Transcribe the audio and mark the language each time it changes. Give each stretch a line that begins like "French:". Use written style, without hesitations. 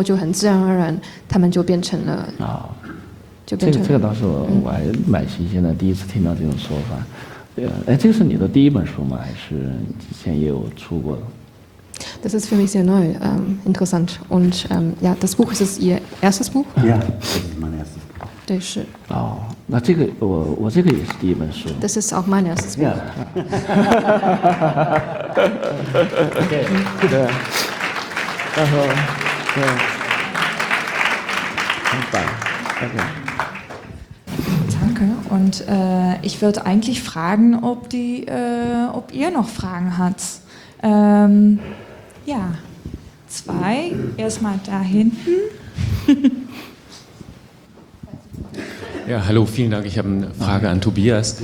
Chinese: 这个用词对我来说非常的自然，因为其实我一直都是这么样称呼他们的，我的材料或者我的拍摄的内容，所以经常有人问我，就是你的那些内容，你的材料在哪里？我就说啊，就这样。然后包括我去巴黎有一次展出的时候，我的经纪代理公司他们也就问我说，你的材料，你的内容带来了没有？所以到最后就很自然而然，他们就变成了。这个倒是我还蛮新鲜的，第一次听到这种说法。这个是你的第一本书吗？还是之前也有出过？
German: Das ist für mich sehr neu, interessant. Und ja, das Buch ist Ihr erstes Buch? Ja, mein erstes.
Chinese: 对，是。哦，那这个我这个也是第一本书。
German: Das ist auch mein erstes Buch. Ja.
Chinese: Okay. 对。然后，对。很棒。Okay.
German: Und ich würde eigentlich fragen, ob die, ob ihr noch Fragen habt. Ja, 2, erstmal da hinten. Ja, hallo, vielen Dank. Ich habe eine Frage an Tobias.